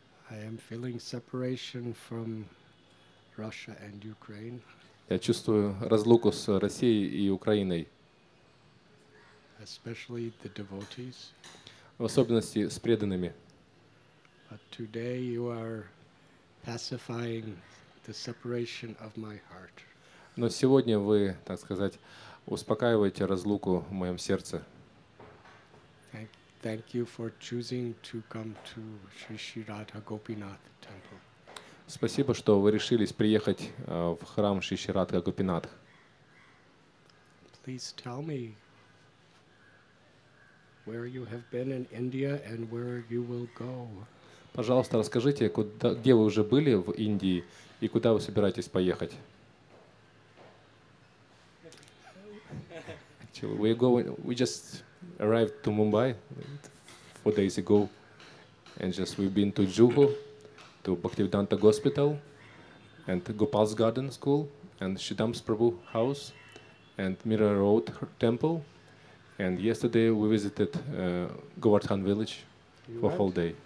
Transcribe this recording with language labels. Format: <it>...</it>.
<en>I am feeling separation from Russia and Ukraine.</en> <ru>Я чувствую разлуку с Россией и Украиной.</ru> <en>Especially the devotees.</en> <ru>В особенности с преданными.</ru> <en>But today you are pacifying the separation of my heart.</en> <ru>Но сегодня вы, так сказать, успокаиваете разлуку в моем сердце.</ru> <en>Thank you for choosing to come to Sri Sri Radha Gopinath Temple.</en> <ru>Спасибо, что вы решились приехать в храм Шри Шри Радха Гопинатх.</ru> <en>Please tell me where you have been in India and where you will go.</en> <ru>Пожалуйста, расскажите, куда, где вы уже были в Индии и куда вы собираетесь поехать?</ru> <en>We just arrived to Mumbai 4 days ago, and just we've been to Juhu, to Bhaktivedanta Hospital, and Gopal's Garden School, and Shidam's Prabhu House, and Mira Road Temple, and yesterday we visited Govardhan Village for a whole day.</en>